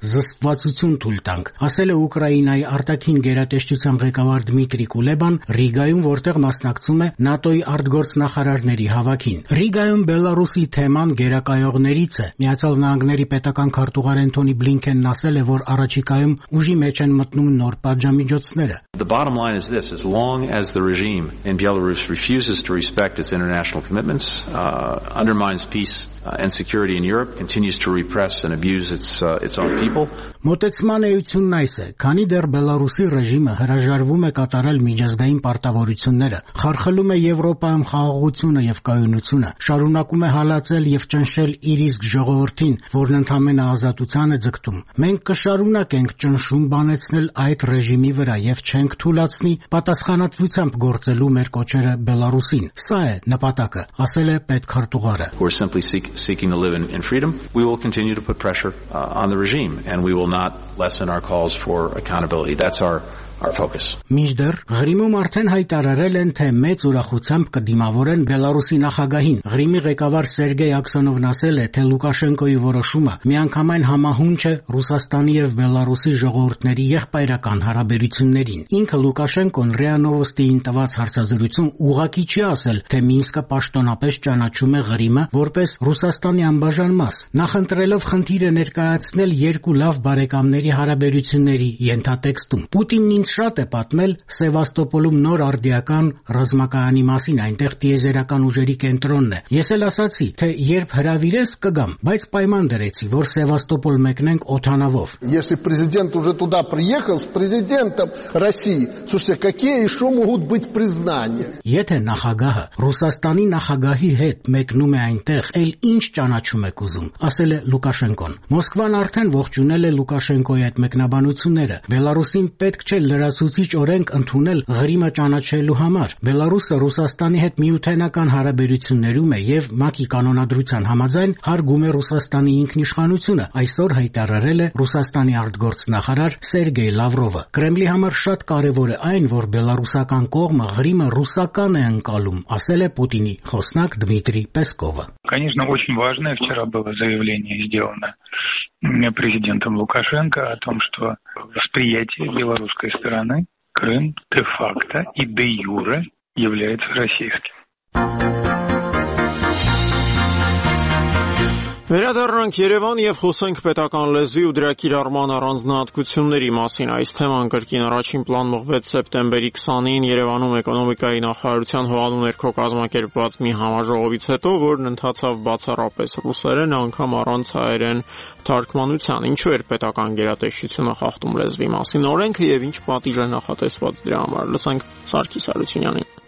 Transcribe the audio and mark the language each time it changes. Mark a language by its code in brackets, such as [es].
[hy] զսպվածություն թույլ տանք, ասել է Ուկրաինայի արտաքին գերատեսչության ղեկավար Դմիտրի Կուլեբան Ռիգայում, որտեղ մասնակցում է ՆԱՏՕ-ի արտգործնախարարների հավաքին։ Ռիգայում Բելարուսի թեման գերակայողներից է։ Միացյալ Նահանգների պետական քարտուղար Էնթոնի Բլինքենն ասել է, որ առաջիկայում ուժի մեջ են մտնում նոր պատժամիջոցները։ [en] The bottom line is this: as long as the regime in Belarus refuses to respect its international commitments, undermines peace and security in Europe, continues to repress and abuse its own people. [hy] Մոտեցման էությունն այս է. Քանի դեռ Բելարուսի ռեժիմը հրաժարվում է կատարել միջազգային պարտավորությունները, խարխլում է Եվրոպայում խաղաղությունը և կայունությունը, շարունակում է հալածել և ճնշել իր իսկ ժողովրդին, որն ընդամենը ազատության է ձգտում, մենք կշարունակենք ճնշում բանեցնել այդ ռեժիմի վրա և չենք թուլացնի պատասխանատվությամբ գործելու մեր կոչերը Բելարուսին։ Սա է նպատակը, ասել է պետքարտուղարը։ [en] Seeking to live in freedom, we will continue to put pressure on the regime, and we will not lessen our calls for accountability. That's our focus. [hy] Միջդեր Ղրիմում արդեն հայտարարել են, թե մեծ ուրախությամբ կդիմավորեն Բելարուսի նախագահին։ Ղրիմի ղեկավար Սերգեյ Աքսոնովն ասել է, թե Լուկաշենկոյի որոշումը միանգամայն համահունչ է Ռուսաստանի եւ Բելարուսի ժողովրդների եղբայրական հարաբերություններին։ Ինքը Լուկաշենկոն Ռիանովոստիին տված հարցազրույցում ուղղակի չի ասել, թե Մինսկը պաշտոնապես ճանաչում է Ղրիմը որպես Ռուսաստանի անբաժան մաս, նախընտրելով խնդիրը ներկայացնել երկու լավ բարեկամների հարաբերությունների ենթատեքստում։ Պուտին ինձ շատ է պատմել Սևաստոպոլում նոր արդիական ռազմակայանի մասին, այնտեղ տիեզերական ուժերի կենտրոնն է։ Ես էլ ասացի, թե երբ հրավիրես կգամ, բայց պայման դրեցի, որ Սևաստոպոլ մեկնենք օթանավով։ [ru] Если президент уже туда приехал с президентом России, слушайте, какие ещё могут быть признания? [hy] Եթե նախագահը Ռուսաստանի նախագահի հետ մեկնում է այնտեղ, այլ ինչ ճանաչում եք ուզում, ասել է Լուկաշենկոն։ Մոսկվան արդեն ողջունել է Լուկաշենկոյի այդ մեկնաբանությունները։ Բելարուսին պետք չէ լրացուցիչ օրենք ընդունել ղրիմը ճանաչելու համար։ Բելարուսը Ռուսաստանի հետ միութենական հարաբերություններում է եւ ՄԱԿ-ի կանոնադրության համաձայն հարգում է Ռուսաստանի ինքնիշխանությունը, այսօր հայտարարել է Ռուսաստանի արտգործնախարար Սերգեյ Լավրովը։ Կրեմլի համար շատ կարևոր է այն, որ բելարուսական կողմը ղրիմը ռուսական է ընկալում, ասել է Պուտինի խոսնակ Դմիտրի Պեսկովը։ [ru] Конечно, очень важное вчера было заявление сделано президентом Лукашенко о том, что восприятие белорусской стороны Крым де-факто и де-юре является российским. [hy] Վերադառնանք Երևան եւ խոսենք պետական լեզվի ու դրա կիրառման առանձնահատկությունների մասին։ Այս թեման կրկին առաջին պլան մղվեց սեպտեմբերի 20-ին Երևանում Էկոնոմիկայի նախարարության հողանու ներքո կազմակերպված մի համաժողովից հետո, որն ընթացավ բացառապես ռուսերեն, անգամ առանց հայերեն թարգմանության։ Ինչու էր պետական գերատեսչությունը խախտում լեզվի մասին օրենքը եւ ինչ պատիժ է նախատեսված դրա համար։ Լսենք Սարգիս Սարությունյանին։